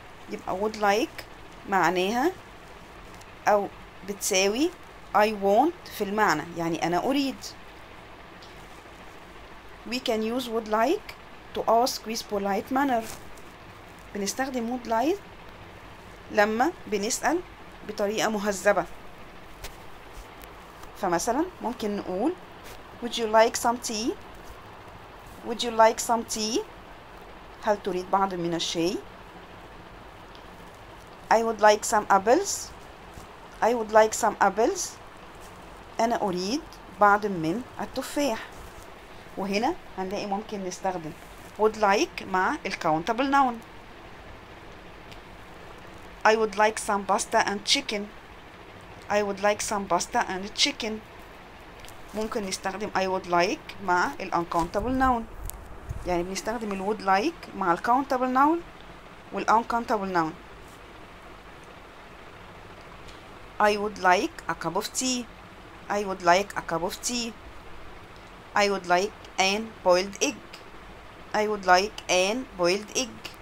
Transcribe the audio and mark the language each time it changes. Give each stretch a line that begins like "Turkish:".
Arabic: يبقى would like معناها أو بتساوي I won't في المعنى يعني أنا أريد.
English: We can use would like to ask with polite manner.
Arabic: بنستخدم would like لما بنسأل بطريقة مهذبة. فمثلا ممكن نقول
English: would you like some tea? Would you like some tea?
Arabic: هل تريد بعض من الشاي؟
English: I would like some apples. I would like some apples.
Arabic: أنا أريد بعض من التفاح. وهنا هنلاقي ممكن نستخدم would like مع الكاونتابل ناون.
English: I would like some pasta and chicken. I would like some pasta and chicken.
Arabic: ممكن نستخدم
English: I would like
Arabic: مع الأنكاونتابل ناون. يعني بنستخدم ال would like مع الكاونتابل ناون والأنكاونتابل ناون.
English: I would like a cup of tea. I would like a cup of tea. I would like an boiled egg. I would like an boiled egg.